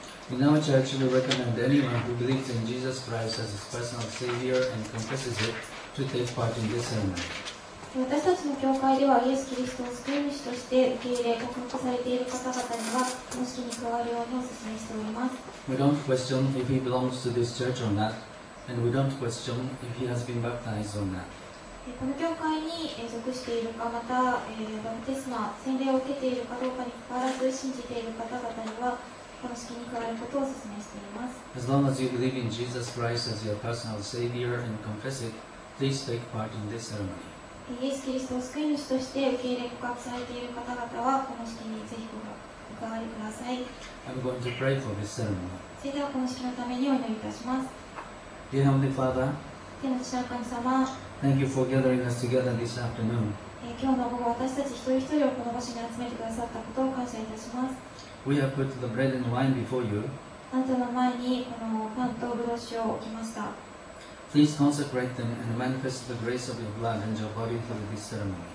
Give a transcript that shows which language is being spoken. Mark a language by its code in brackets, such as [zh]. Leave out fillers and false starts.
[en] In our church, we recommend anyone who believes in Jesus Christ as his personal Savior and confesses it to take part in this ceremony. [ja] 私たちの教会ではイエス・キリストを救い主として受け入れ告白されている方々にはこの式に加わるようにお勧めしております。 [en] We don't question if he belongs to this church or not, and we don't question if he has been baptized or not. [ja] この教会に属しているかまたバプテスマ洗礼を受けているかどうかに関わらず信じている方々にはこの式に加わることをお勧めしています。 [en] As long as you believe in Jesus Christ as your personal Savior and confess it, please take part in this ceremony. [ja] イエス・キリストを救い主として受け入れ告白されている方々はこの式にぜひお伺いください。 [en] I'm going to pray for this ceremony. [ja] それではこの式のためにお祈りいたします。 [en] Dear Heavenly Father, [ja] 天の父なる神様、 [en] Thank you for gathering us together this afternoon. [ja] 今日の午後、私たち一人一人をこの場所に集めてくださったことを感謝いたします。 [en] We have put the bread and wine before you. [ja] あなたの前にこのパンとブロッシュを置きました。 [en] Please consecrate them and manifest the grace of your blood and your body through this ceremony.